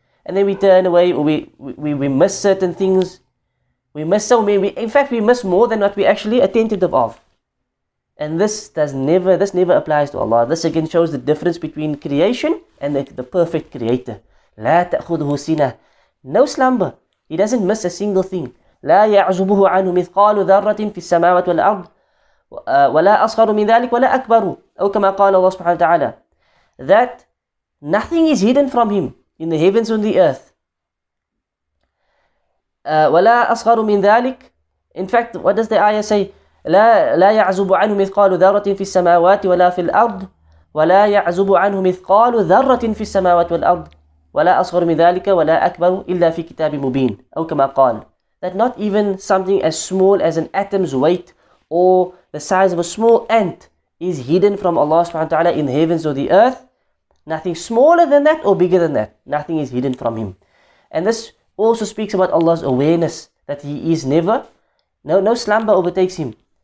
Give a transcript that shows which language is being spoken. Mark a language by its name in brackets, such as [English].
[English] And then we turn away, or we miss certain things. We miss so many, we miss more than what we're actually attentive of. And this never applies to Allah. This again shows the difference between creation and the perfect creator. [Arabic] لا تأخذه سنة. [English] No slumber. He doesn't miss a single thing. [Arabic] لا يعزبه عنه مثقال ذرة في السماوات والأرض. ولا أصغر من ذلك ولا أكبر. أو كما قال الله سبحانه وتعالى. [English] That nothing is hidden from him in the heavens and the earth. [Arabic] ولا أصغر من ذلك. [English] In fact, what does the ayah say? [Arabic] لا يعزب عنه مثقال ذرة في السماوات ولا في الأرض ولا يعزب عنه مثقال ذرة في السماوات والأرض ولا أصغر من ذلك ولا أكبر إلا في كتاب مبين. أو كما قال. [English] That not even something as small as an atom's weight or the size of a small ant is hidden from Allah subhanahu wa ta'ala in the heavens or the earth. Nothing smaller than that or bigger than that. Nothing is hidden from him. And this also speaks about Allah's awareness, that he is no slumber overtakes him.